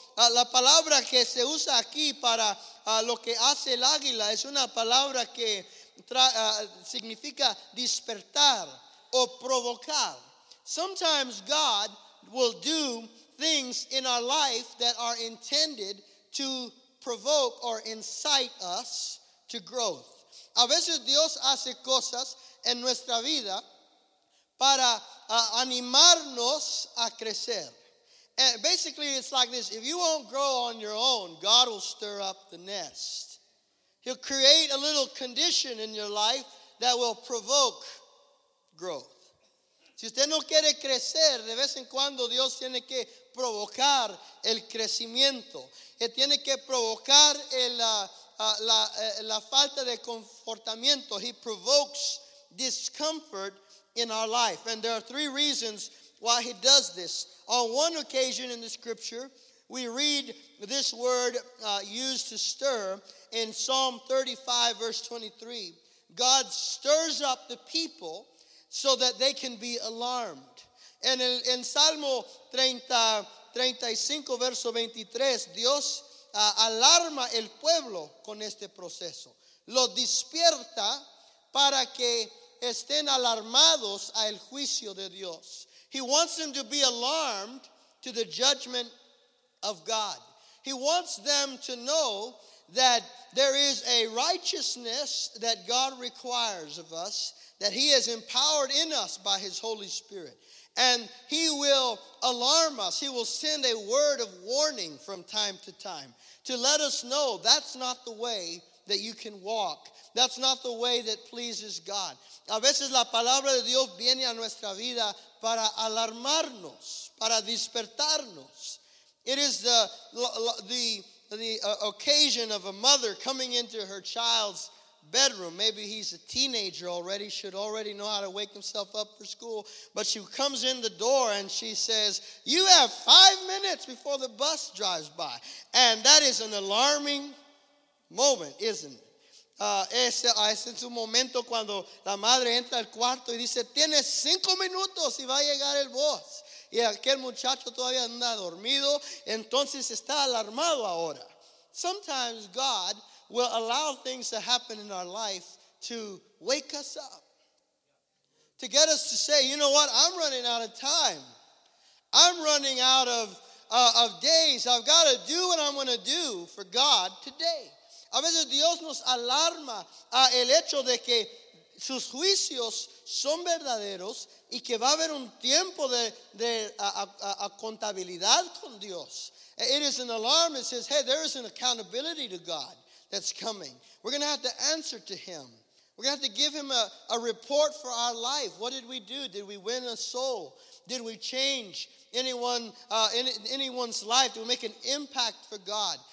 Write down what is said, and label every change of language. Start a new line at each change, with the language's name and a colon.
Spanish: La palabra que se usa aquí para lo que hace el águila es una palabra que significa despertar o provocar.
English: Sometimes God will do things in our life that are intended to provoke or incite us to growth.
Spanish: A veces Dios hace cosas en nuestra vida para animarnos a crecer.
English: And basically, it's like this. If you won't grow on your own, God will stir up the nest. He'll create a little condition in your life that will provoke growth.
Spanish: Si usted no quiere crecer, de vez en cuando Dios tiene que provocar el crecimiento. Él tiene que provocar el la falta de confortamiento.
English: He provokes discomfort in our life. And there are three reasons why he does this. On one occasion in the scripture, we read this word used to stir in Psalm 35, verse 23. God stirs up the people so that they can be alarmed. And in
Spanish: Salmo 35, verse 23, Dios alarma el pueblo con este proceso. Lo despierta para que estén alarmados a el juicio de Dios.
English: He wants them to be alarmed to the judgment of God. He wants them to know that there is a righteousness that God requires of us, that he has empowered in us by his Holy Spirit. And he will alarm us. He will send a word of warning from time to time to let us know that's not the way that you can walk. That's not the way that pleases God.
Spanish: A veces la palabra de Dios viene a nuestra vida para alarmarnos, para despertarnos.
English: It is the occasion of a mother coming into her child's bedroom. Maybe he's a teenager already, should already know how to wake himself up for school. But she comes in the door and she says, "You have 5 minutes before the bus drives by." And that is an alarming moment, isn't it?
Spanish: Es en su momento cuando la madre entra al cuarto y dice, "Tienes 5 minutos y va a llegar el bus." Y aquel muchacho todavía anda dormido, entonces está alarmado ahora.
English: Sometimes God will allow things to happen in our life to wake us up, to get us to say, "You know what? I'm running out of time. I'm running out of days. I've got to do what I'm going to do for God today."
Spanish: A veces Dios nos alarma a el hecho de que sus juicios son verdaderos y que va a haber un tiempo de contabilidad con Dios.
English: It is an alarm. It says, "Hey, there is an accountability to God that's coming. We're going to have to answer to him. We're going to have to give him a report for our life. What did we do? Did we win a soul? Did we change anyone's life? Did we make an impact for God?